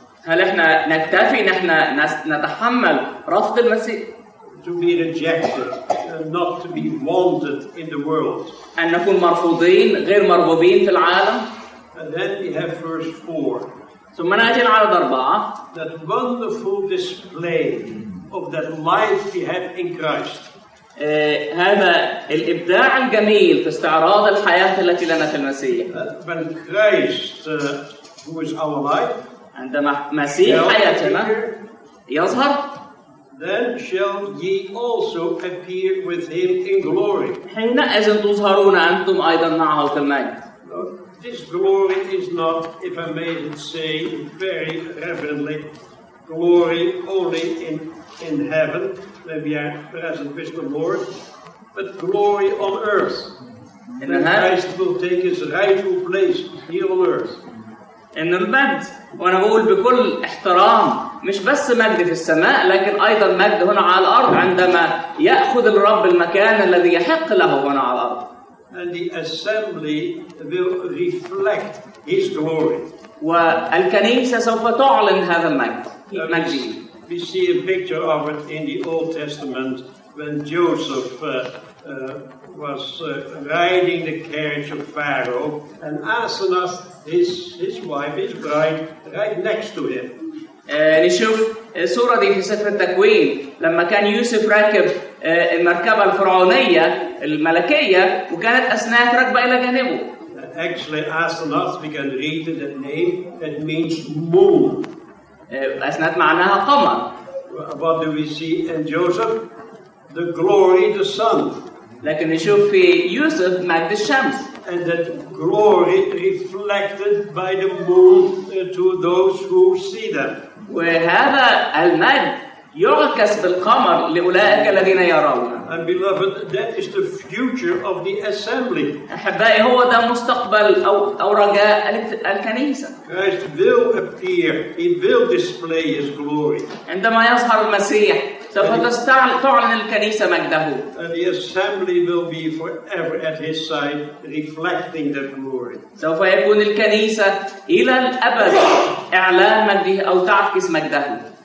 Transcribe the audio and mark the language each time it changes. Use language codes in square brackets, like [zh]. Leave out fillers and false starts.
[ar] هل احنا نكتفي ان احنا نتحمل رفض المسيح؟ [en] To be rejected and not to be wanted in the world. [ar] أن نكون مرفوضين غير مرغوبين في العالم. [en] And then we have verse 4. [ar] ثم نأتي العدد 4. [en] That wonderful display of that life we have in Christ. [ar] هذا الإبداع الجميل في استعراض الحياة التي لنا في المسيح. [en] When Christ, who is our life, [ar] عندما مسيح حياتنا يظهر. [en] Then shall ye also appear with him in glory. [ar] حينئذ تظهرون أنتم أيضا معه في المجد. [en] This glory is not, if I may say very reverently, glory only in heaven, where we are present with the Lord, but glory on earth. In the heaven. Christ will take his rightful place here on earth. [ar] إن المجد، وأنا أقول بكل احترام، مش بس مجد في السماء، لكن أيضا مجد هنا على الأرض عندما يأخذ الرب المكان الذي يحق له هنا على الأرض. [en] And the assembly will reflect his glory. [ar] والكنيسة سوف تعلن هذا المجد. [en] We see a picture of it in the Old Testament when Joseph was riding the carriage of Pharaoh and Asenath, his wife, his bride, right next to him. [ar] نشوف الصورة دي في سفر التكوين لما كان يوسف راكب المركبة الفرعونية الملكية وكانت أسناث راكبة إلى جانبه. [en] Actually, Asenath, we can read that name, it means moon. [ar] أسناث معناها قمر. [en] What do we see in Joseph? The glory, the sun. [ar] لكن نشوف في يوسف مجد الشمس. [en] And that glory reflected by the moon to those who see them. [ar] وهذا المجد يعكس بالقمر لأولئك الذين يرونه. [en] And beloved, that is the future of the assembly. [ar] أحبائي هو ده مستقبل أو رجاء الكنيسة. [en] Christ will appear. He will display His glory. [ar] عندما يظهر المسيح سوف تعلن الكنيسة مجده. [en] And the assembly will be forever at His side, reflecting that glory. [ar] سوف يكون الكنيسة إلى الأبد إعلان مجده أو تعكس مجده.